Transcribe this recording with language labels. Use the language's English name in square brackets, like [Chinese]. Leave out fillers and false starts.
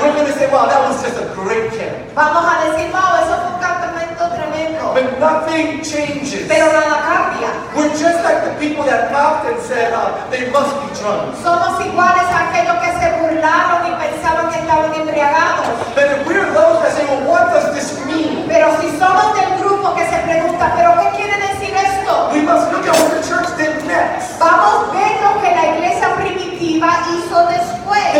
[English] we're going to say, wow, that was just a great camp. [Spanish] Vamos a decir, wow, eso fue un campamento tremendo. [English] But nothing changes. [Spanish] Pero nada cambia. [English] We're just like the people that laughed and said, they must be drunk. [Spanish] Somos iguales a aquellos que se burlaron y pensaron que estaban embriagados. [English] But if we're those that say, well, what does this mean? [Spanish] Pero si somos del grupo que se pregunta, ¿pero qué quiere decir esto? [English] We must look at what the church did next. [Spanish] Vamos a ver lo que la iglesia primitiva hizo después.